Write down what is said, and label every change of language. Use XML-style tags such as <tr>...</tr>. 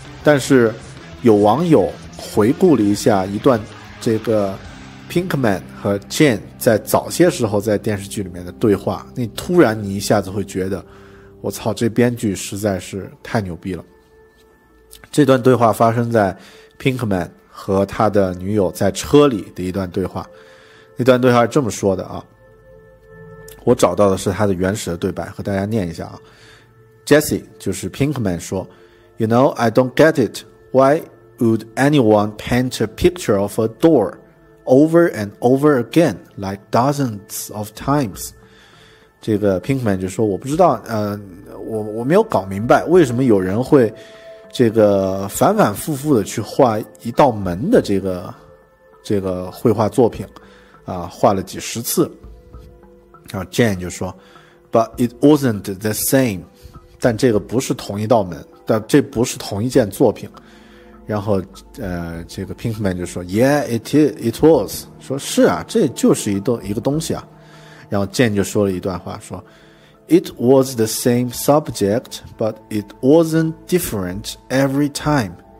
<zh>但是有网友回顾了一下一段这个 Pinkman 和 Jane 在早些时候在电视剧里面的对话，那突然你一下子会觉得我操，这编剧实在是太牛逼了。这段对话发生在 Pinkman 和他的女友在车里的一段对话，那段对话是这么说的啊，我找到的是他的原始的对白，和大家念一下啊。</zh> <en>Jesse</en> <zh>就是</zh> <en>Pinkman</en> <zh>说，</zh> <en>You know, I don't get it. Why would anyone paint a picture of a door over and over again like dozens of times?</en> <zh>这个 Pinkman 就说，我不知道我没有搞明白为什么有人会这个反反复复的去画一道门的这个绘画作品画了几十次。然后</zh> <en>Jane</en> <zh>就说，</zh> <en>But it wasn't the same.</en> <zh>但这个不是同一道门，但这不是同一件作品。然后这个 Pinkman 就说，</zh> <en>Yeah, it was.</en> <zh>说是啊，这就是一个东西啊。然后</zh> <en>Jane</en> <zh>就说了一段话，说，</zh> <en>It was the same subject, but it wasn't different every time.</en>